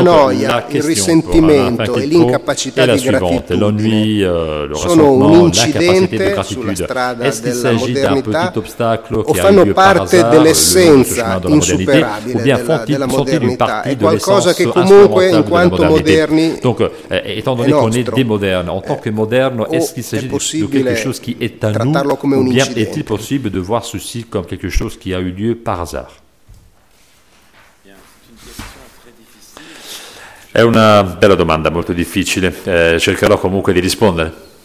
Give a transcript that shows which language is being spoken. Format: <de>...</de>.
<it>noia, il risentimento e l'incapacità di gratitudine sono un incidente sulla strada della modernità o fanno parte dell'essenza insuperabile della modernità, è qualcosa che comunque in quanto moderni</it> <fr>étant donné qu'on est des modernes, en tant que moderne, est-ce qu'il s'agit de quelque chose qui est à nous, ou bien est-il possible de voir ceci comme quelque chose qui a eu lieu par hasard?</fr> <it>È una bella domanda, molto difficile, cercherò comunque di rispondere.</it>